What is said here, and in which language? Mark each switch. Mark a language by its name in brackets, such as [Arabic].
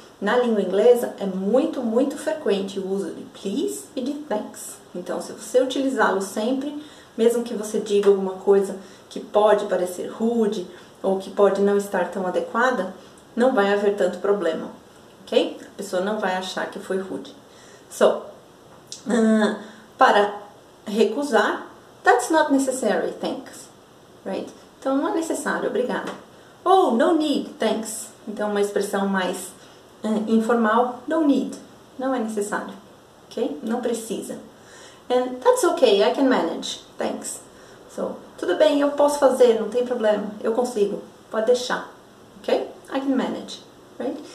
[Portuguese] Na língua inglesa é muito, muito frequente o uso de please e de thanks. Então, se você utilizá-lo sempre, mesmo que você diga alguma coisa que pode parecer rude ou que pode não estar tão adequada, não vai haver tanto problema, ok? A pessoa não vai achar que foi rude. [English] So, [Portuguese] para recusar, [English] that's not necessary, thanks, right? [Portuguese] Então, não é necessário, obrigada. [English] Oh, no need, thanks. [Portuguese] Então, uma expressão mais informal, no need, não é necessário, ok? Não precisa. [English] And that's okay, I can manage. Thanks. [Portuguese] So, tudo bem, eu posso fazer, não tem problema. Eu consigo. Pode deixar. Ok? [English] I can manage. [Portuguese] Right?